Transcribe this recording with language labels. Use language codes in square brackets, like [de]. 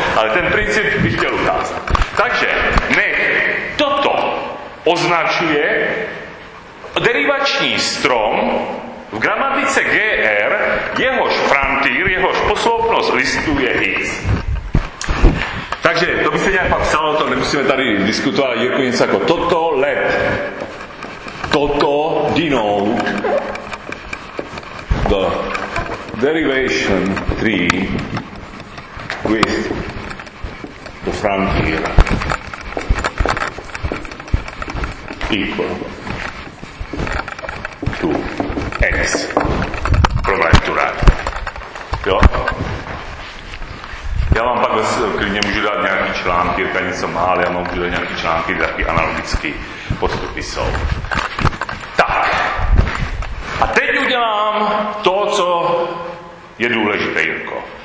[cs] Ale ten princip bych chtěl ukázat. Takže nech toto označuje derivační strom v gramatice GR, jehož frontier, jehož posloupnost listů je X. Takže to by se nějak pak psalo, to nemusíme tady diskutovat, Jirko, něco jako toto let. [en] Toto denote the derivation tree with the frontier equal to x provided. [cs] Jo? Já vám pak klidně můžu dát nějaký články, Jirka něco má, ale já mám můžu dát nějaký články, taky analogický postupy jsou. Tak. A teď udělám to, co je důležité, Jirko.